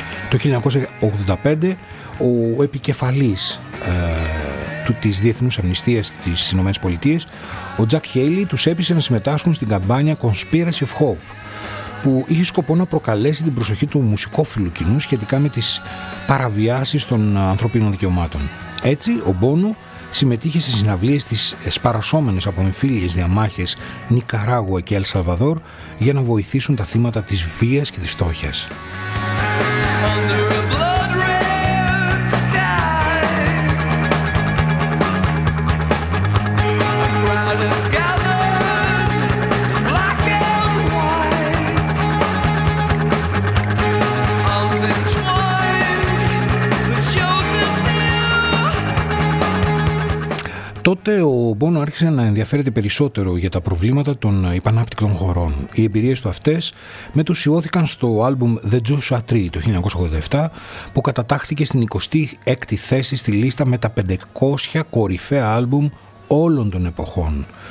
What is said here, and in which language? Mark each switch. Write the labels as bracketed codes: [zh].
[el] Το 1985 ο επικεφαλής της Διεθνούς Αμνηστίας στις Ηνωμένες Πολιτείες, ο Τζακ Χέιλι, τους έπεισε να συμμετάσχουν στην καμπάνια Conspiracy of Hope, που είχε σκοπό να προκαλέσει την προσοχή του μουσικόφιλου κοινού σχετικά με τις παραβιάσεις των ανθρώπινων δικαιωμάτων. Έτσι, ο Μπόνο συμμετείχε σε συναυλίες στις σπαρασόμενες από εμφύλιες διαμάχες Νικαράγουα και Ελσαλβαδόρ για να βοηθήσουν τα θύματα της βίας και της φτώχειας. [en] Under a blood red sky, a crowd has gathered in black and white. I'm entwined with your. [el] Τότε ο Μπόνο άρχισε να ενδιαφέρεται περισσότερο για τα προβλήματα των υπανάπτυκτων χωρών. Οι εμπειρίες του αυτές μετουσιώθηκαν στο άλμπουμ The Joshua Tree το 1987, που κατατάχθηκε στην 26η θέση στη λίστα με τα 500 κορυφαία άλμπουμ όλων των εποχών.